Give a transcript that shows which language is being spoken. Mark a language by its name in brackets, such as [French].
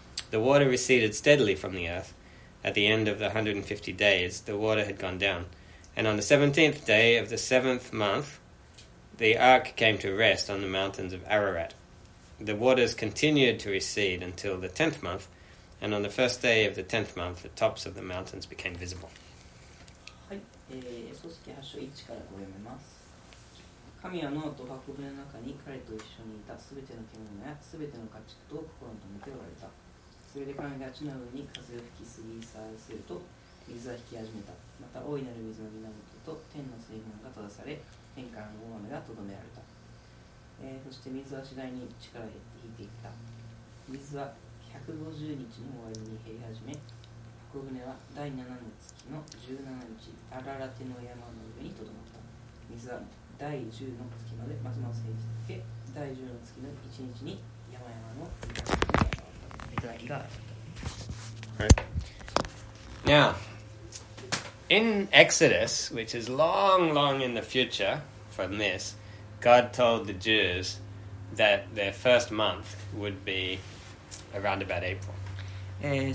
[English] The water receded steadily from the earth. At the end of the 150 days, the water had gone down. And on the 17th day of the 7th month, the ark came to rest on the mountains of Ararat. The waters continued to recede until the 10th month, and on the first day of the 10th month, the tops of the mountains became visible. [Japanese] はい、組織8章1から5を読めます。神はノアと箱舟の中に彼と一緒にいたすべての獣やすべての家畜と心を止めておられた。それで神が地の上に風を吹き過ぎ去らせると、水は引き始めた。また大いなる水の源と天の水門が閉ざされ、天からの大雨がとどめられた、そして水は次第に力を引いていった。水は150日の終わりに減り始め、箱舟は第7の月の17日、アララテの山の上にとどまった。水は第10の月までますます減り続け、第10の月の1日に山々の頂きがあった。 [English] Right. Now, in Exodus, which is long, long in the future from this, God told the Jews that their first month would be around about April.